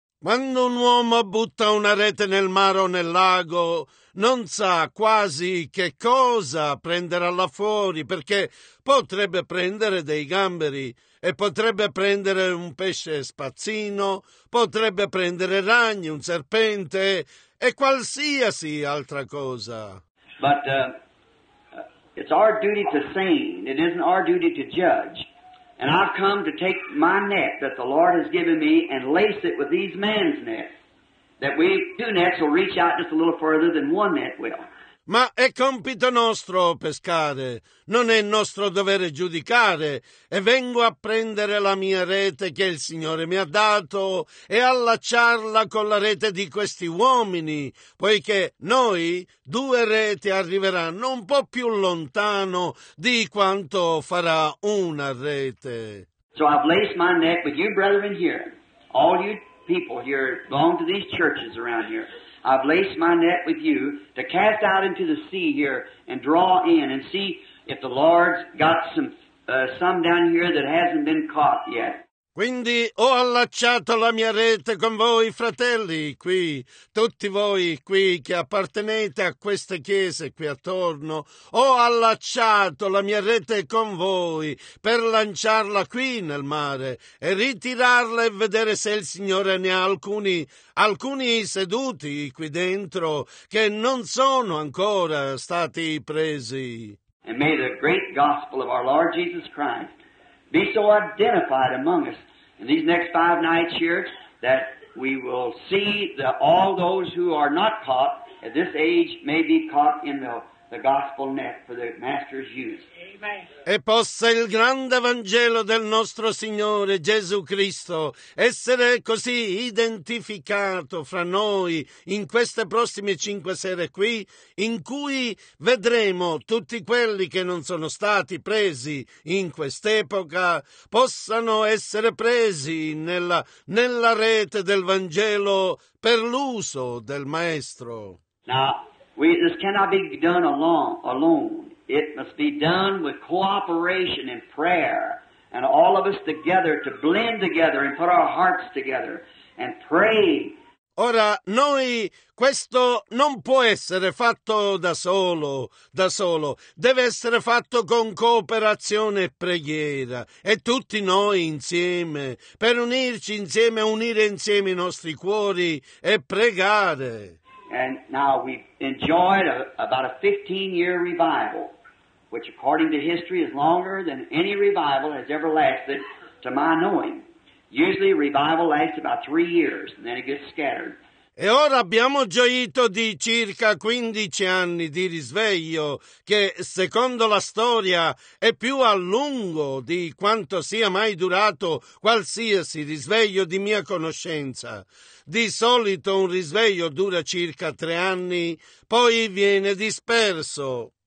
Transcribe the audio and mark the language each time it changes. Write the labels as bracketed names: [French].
[Italian] Quando un uomo butta una rete nel mare o nel lago, non sa quasi che cosa prenderà là fuori, perché potrebbe prendere dei gamberi e potrebbe prendere un pesce spazzino, potrebbe prendere ragni, un serpente e qualsiasi altra cosa. [English] But it's our duty to sing. It isn't our duty to judge. And I've come to take my net that the Lord has given me and lace it with these man's net. That we two nets will reach out just a little further than one net will. [Italian] Ma è compito nostro pescare, non è nostro dovere giudicare. E vengo a prendere la mia rete che il Signore mi ha dato e allacciarla con la rete di questi uomini, poiché noi due reti arriveranno un po' più lontano di quanto farà una rete. [English] So I've laced my neck with you brethren here, all you people here belong to these churches around here. I've laced my net with you to cast out into the sea here and draw in and see if the Lord's got some down here that hasn't been caught yet. [Italian] Quindi ho allacciato la mia rete con voi fratelli qui, tutti voi qui che appartenete a queste chiese qui attorno, ho allacciato la mia rete con voi per lanciarla qui nel mare e ritirarla e vedere se il Signore ne ha alcuni seduti qui dentro che non sono ancora stati presi. [English] And may the great gospel of our Lord Jesus Christ be so identified among us in these next five nights here that we will see that all those who are not caught at this age may be caught in the gospel net for the Master's use. [Italian] E possa il grande Vangelo del nostro Signore Gesù Cristo essere così identificato fra noi in queste prossime cinque sere qui, in cui vedremo tutti quelli che non sono stati presi in quest'epoca, possano essere presi nella rete del Vangelo per l'uso del Maestro. [English] This cannot be done alone. It must be done with cooperation and prayer and all of us together to blend together and put our hearts together and pray. [Italian] Ora, noi, questo non può essere fatto da solo. Deve essere fatto con cooperazione e preghiera. E tutti noi insieme, per unirci insieme, unire insieme i nostri cuori e pregare. [English] And now we've enjoyed about a 15-year revival. Which according to history is longer than any revival has ever lasted, to my knowing. Usually revival lasts about 3 years and then it gets scattered. [Italian] E ora abbiamo gioito di circa 15 anni di risveglio, che secondo la storia è più a lungo di quanto sia mai durato qualsiasi risveglio di mia conoscenza. Di solito un risveglio dura circa 3 anni, poi viene disperso.